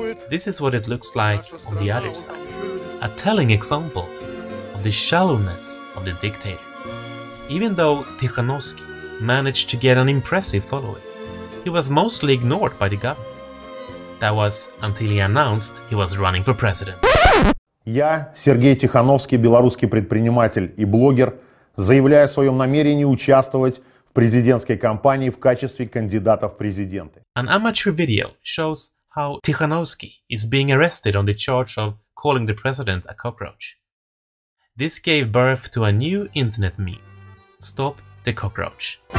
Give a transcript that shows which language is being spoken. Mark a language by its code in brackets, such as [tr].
[en] This is what it looks like on the other side, a telling example of the shallowness of the dictator. Even though Tikhanovskaya managed to get an impressive following, he was mostly ignored by the government. That was until he announced he was running for president. [ru] Я, Сергей Тихановский, белорусский предприниматель и блогер, заявляю о своем намерении участвовать в президентской кампании в качестве кандидата в президенты. [en] An amateur video shows how Tikhanovskaya is being arrested on the charge of calling the president a cockroach. This gave birth to a new internet meme. Stop the cockroach.